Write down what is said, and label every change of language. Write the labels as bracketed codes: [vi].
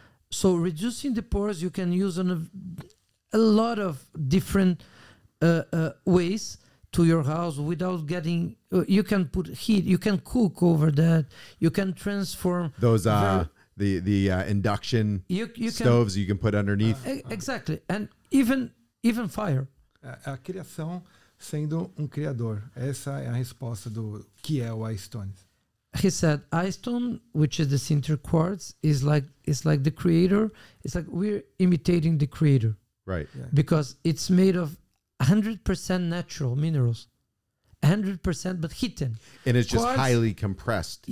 [en] So reducing the pores, you can use on a lot of different ways to your house without getting, you can put heat, you can cook over that, you can transform those the induction you stoves can, you can put underneath exactly, and even fire. [pt] A criação sendo criador, essa é a resposta do que é o Ice Stone. [en] He said Ice Stone, which is the sinter quartz, is like the creator. It's like we're imitating the creator, right? Yeah. Because it's made of 100% natural minerals, 100%, but hidden. And it's quartz, just highly compressed.